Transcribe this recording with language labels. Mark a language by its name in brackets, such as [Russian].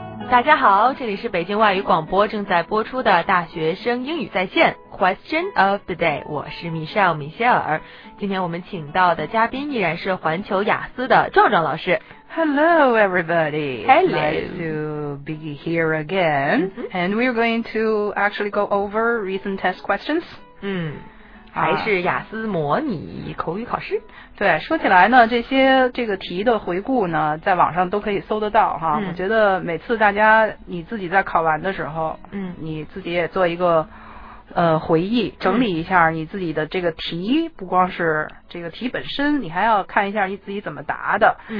[Chinese] 大家好，这里是北京外语广播正在播出的大学生英语在线 Question of the Day， 我是 Michelle 米歇尔。今天我们请到的嘉宾依然是环球雅思的壮壮老师。 [English] Hello everybody. Hello. Nice to be here again. And we're going to actually go over recent test questions. [Chinese] 还是雅思模拟口语考试。对，说起来呢，这些这个题的回顾呢，在网上都可以搜得到哈。我觉得每次大家你自己在考完的时候，你自己也做一个回忆，整理一下你自己的这个题，不光是这个题本身，你还要看一下你自己怎么答的。